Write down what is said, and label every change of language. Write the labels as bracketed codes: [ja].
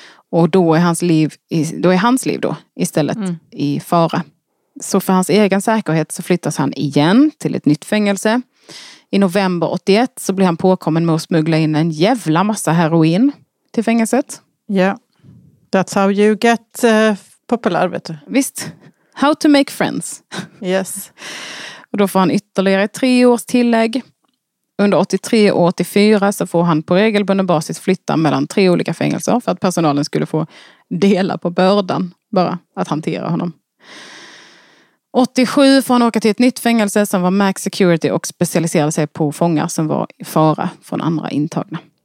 [sv] Och då är hans liv istället i fara. Så för hans egen säkerhet så flyttas han igen till ett nytt fängelse. I november 81 så blir han påkommen med att smuggla in en jävla massa heroin till fängelset. [en] Ja, yeah. That's how you get popular, [sv] vet du. [en] Visst, how to make friends. Yes. [sv] Och då får han ytterligare 3 års tillägg. Under 83 och 84 så får han på regelbunden basis flytta mellan 3 olika fängelser för att personalen skulle få dela på bördan bara att hantera honom. 87 får han åka till ett nytt fängelse som var max security och specialiserade sig på fångar som var i fara från andra intagna.